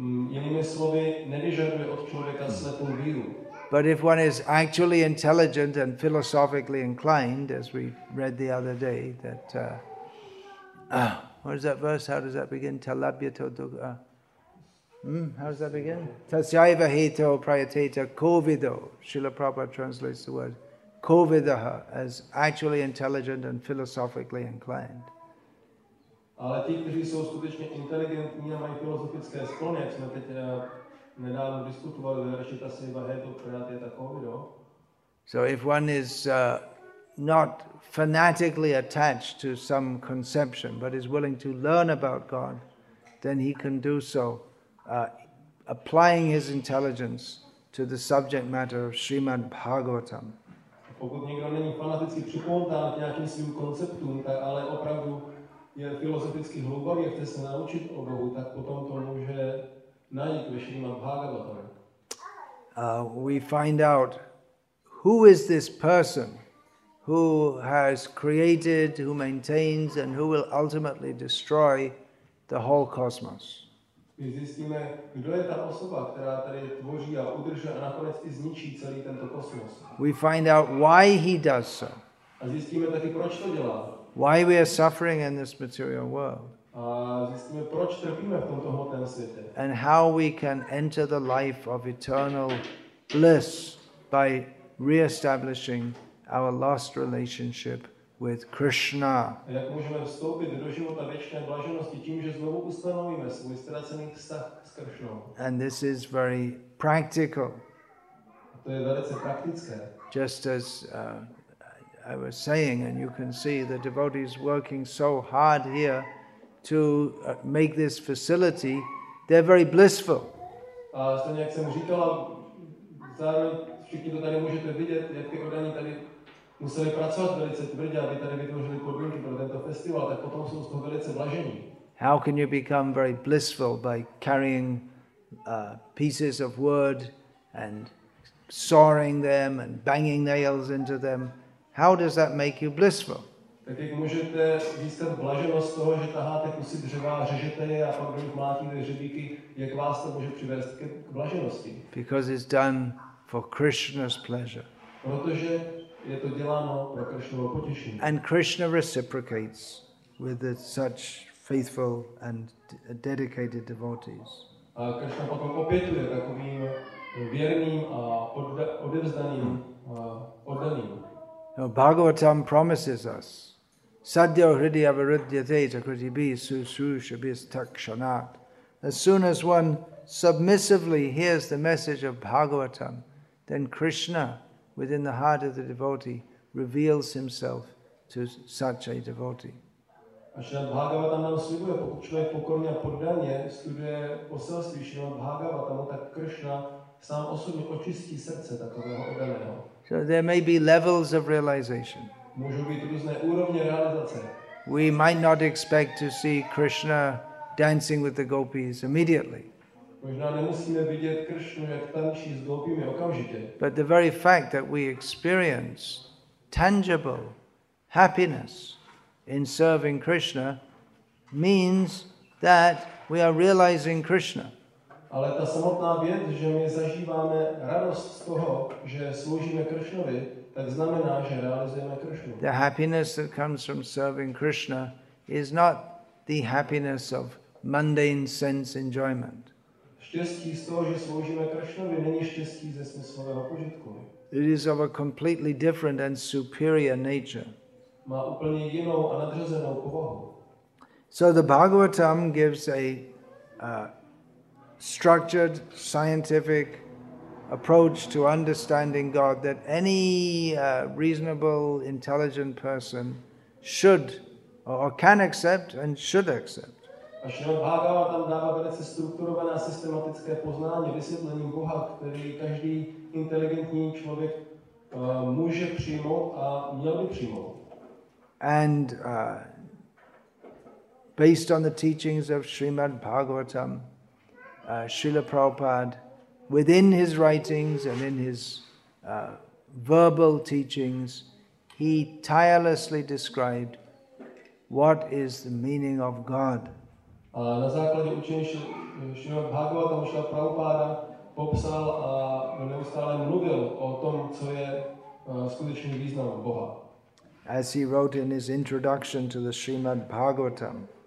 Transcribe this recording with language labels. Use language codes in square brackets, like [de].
[cs] Jinými slovy, nevyžaduje od člověka slepou víru. [en] But if one is actually intelligent and philosophically inclined, as we read the other day, that what is that verse? How does that begin? [sa] Talabhyato dukha. [en] How does that begin? [sa] Tasyaiva hito prayateta kovido. [en] Srila Prabhupada translates the word kovidaha as actually intelligent and philosophically inclined. [cs] Ale ti, kteří jsou skutečně inteligentní a mají filozofické sklony, jak jsme teď nedávno diskutovali, že ta sejba je to prát, je takový, jo? [en] So if one is not fanatically attached to some conception, but is willing to learn about God, then he can do so, applying his intelligence to the subject matter of Srimad Bhagavatam. [cs] Pokud někdo není fanaticky připoután k nějakým svým konceptům, tak ale opravdu je filozoficky hlubavý, chce se naučit o Bohu, tak potom to může najít ve Srimad Bhagavatam. [en] We find out who is this person who has created, who maintains, and who will ultimately destroy the whole cosmos. [cs] My zjistíme, kdo je ta osoba, která tady tvoří a udržuje a nakonec i zničí celý tento kosmos. [en] We find out why he does so. [cs] A zjistíme taky, proč to dělá. [en] Why we are suffering in this material world. [cs] A zjistíme, proč trpíme v tomto hmotném světě. [en] And how we can enter the life of eternal bliss by re-establishing our lost relationship with Krishna. [cs] Jak můžeme vstoupit do života věčné blaženosti tím, že znovu ustanovíme svůj ztracený vztah s Krishnou. [en] And this is very practical. [cs] To je velice praktické. [en] Just as I was saying, and you can see the devotees working so hard here to make this facility, they're very blissful. [cs] A stejně jak jsem říkal, zároveň všichni to tady můžete vidět, jak ty orgány tady museli pracovat velice tvrdě, aby tady vytvořili podmínky pro tento festival, tak potom jsou z toho velice blažení. [en] How can you become very blissful by carrying pieces of wood and sawing them and banging nails into them? How does that make you blissful? [cs] Tak jak můžete získat blaženost z toho, že taháte kusy dřeva, řežete je a pak do nich mlátíte hřebíky, jak vás to může přivést k blaženosti? [en] Because it's done for Krishna's pleasure. [cs] Protože je to děláno pro Krishnovo potěšení. [en] And Krishna reciprocates with such faithful and dedicated devotees. [cs] A Krishna potom opětuje takovým věrným a odevzdaným oddaným. [en] No, Bhagavatam promises us [sa] sadyo hridya viridyate takritibhi susushabhis takshanat. [en] As soon as one submissively hears the message of Bhagavatam, then Krishna, within the heart of the devotee, reveals himself to such a devotee. [cs] A Srimad Bhagavatam nám slibuje, pokud člověk pokorně a poddaně studuje poselství Srimad Bhagavatam, tak Krishna sám osobně očistí srdce takového oddaného. [en] So there may be levels of realization. [cs] Můžou být různé úrovně realizace. [en] We might not expect to see Krishna dancing with the gopis immediately. [cs] Možná nemusíme vidět Krishnu, jak tančí s gopími okamžitě. [en] But the very fact that we experience tangible happiness in serving Krishna means that we are realizing Krishna. [cs] Ale ta samotná věc, že my zažíváme radost z toho, že sloužíme Krishnovi, tak znamená, že realizujeme Krishnu. [en] The happiness that comes from serving Krishna is not the happiness of mundane sense enjoyment. [cs] Štěstí z toho, že sloužíme Krishnovi, není štěstí ze smyslového požitku. [en] It is of a completely different and superior nature. [cs] Má úplně jinou a nadřazenou povahu. [en] So the Bhagavatam gives a structured scientific approach to understanding God that any reasonable intelligent person should or can accept and should accept. [cs] A Srimad Bhagavatam dává velice strukturované a systematické poznání, vysvětlení Boha, který každý inteligentní člověk může přijmout a měl by přijmout. [en] And based on the teachings of Srimad Bhagavatam, Srila Prabhupada, within his writings and in his verbal teachings, he tirelessly described what is the meaning of God. [cs] Na základě učení Srimad Bhagavatam Srila Prabhupada popsal a neustále mluvil o tom, co je skutečný význam Boha. [en] As he wrote in his introduction to the Srimad Bhagavatam.